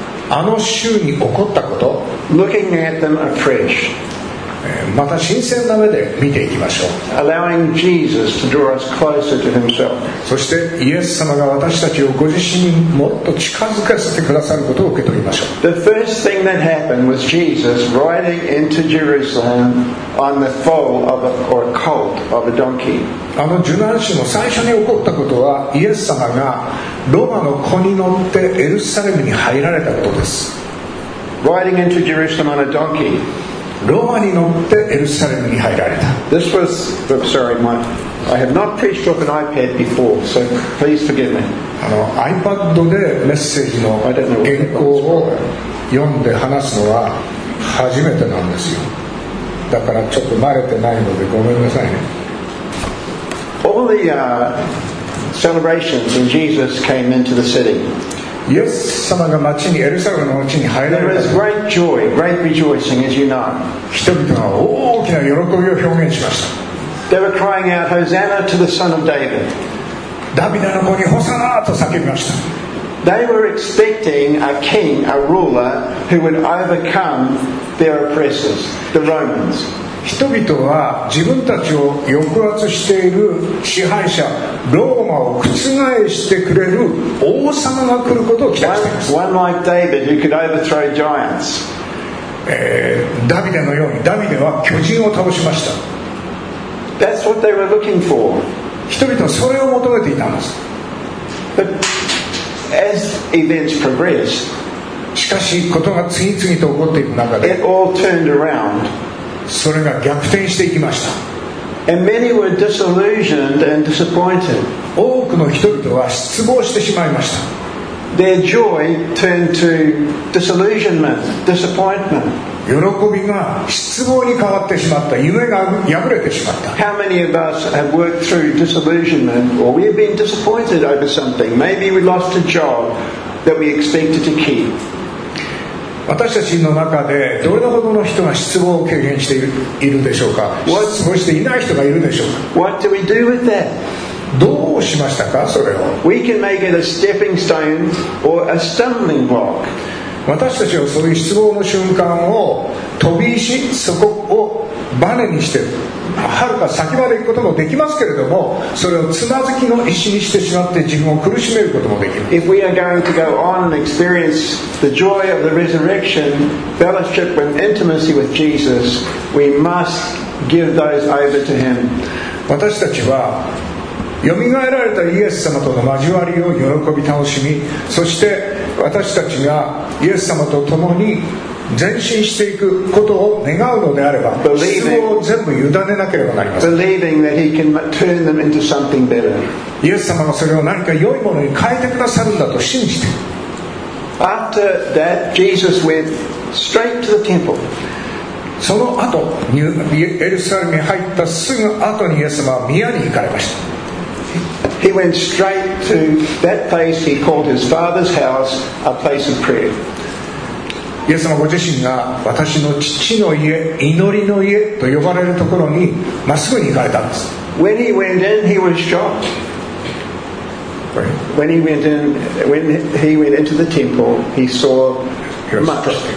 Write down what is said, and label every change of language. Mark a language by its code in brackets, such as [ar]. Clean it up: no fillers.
[ja] あの週に起こったこと。 [en] Looking at them afresh. [ja] また新鮮な目で見ていきましょう。 [en] Allowing Jesus to draw us closer to Himself. [ja] そしてイエス様が私たちをご自身にもっと近づかせてくださることを受け取りましょう。 [en] The first thing that happened was Jesus riding into Jerusalem on the foal of a or colt of a donkey. [ja] あの受難週の最初に起こったことはイエス様がロマの子に乗ってエルサレムに入られたことです。 [en] Riding into Jerusalem on a donkey. [ja] ロマに乗ってエルサレムに入られた。 [en] This was, sorry, my, I have not preached off an iPad before, so please forgive me. [ja] あの iPad でメッセージの原稿を読んで話すのは初めてなんですよ。だからちょっと慣れてないのでごめんなさいね。 [en] All the celebrations when Jesus came into the city. [ja] イエス様が町にエルサレムの町に入られた。 [en] There was great joy, great rejoicing, as you know. [ja] 人々が大きな喜びを表現しました。 [en] They were crying out, "Hosanna to the Son of David." [ja] ダビデの子にホサナと叫びました。 [en] They were expecting a king, a ruler who would overcome their oppressors, the Romans. [ja] 人々は自分たちを抑圧している支配者ローマを覆してくれる王様が来ることを期待しています。 [en] One like David who could overthrow giants. [ja] ダビデのようにダビデは巨人を倒しました。 [en] That's what they were looking for. [ja] 人々はそれを求めていたんです。 [en] But as events progressed, [ja] しかしことが次々と起こっていく中で [en] it all turned around [ja] それが逆転していきました。 [en] And many were disillusioned and disappointed. [ja] 多くの人々は失望してしまいました。 [en] Their joy turned to disillusionment, disappointment. [ja] 喜びが失望に変わってしまった。夢が破れてしまった。 [en] How many of us have worked through disillusionment or we have been disappointed over something? Maybe we lost a job that we expected to keep. [ja] 私たちの中でどれほどの人が失望を経験しているでしょうか。失望していない人がいるでしょうか。 [en] What do we do with that? [ja] どうしましたかそれを。 [en] We can make it a stepping stone or a stumbling block. [ja] 私たちはそういう失望の瞬間を飛び石そこをバネにしてはるか先まで行くこともできますけれども、それをつまずきの石にしてしまって自分を苦しめることもできます。 [en] If we are going to go on and experience the joy of the resurrection, fellowship and intimacy with Jesus, we must give those over to him. [ja] 私たちはよみがえられたイエス様との交わりを喜び楽しみ、そして私たちがイエス様と共に前進していくことを願うのであれば、希望を全部委ねなければなりません。 [en] Believing that he can turn them into something better. [ja] イエス様がそれを何か良いものに変えてくださるんだと信じて。 [en] After that, Jesus went straight to the temple. [ja] その後、エルサレムに入ったすぐ後にイエス様は宮に行かれました。 [en] He went straight to that place he called his father's house, a place of prayer. [ja] イエス様ご自身が私の父の家、祈りの家と呼ばれるところにまっすぐに行かれたんです。 [en] When he went in, he was shocked. When he went into the temple, he saw much.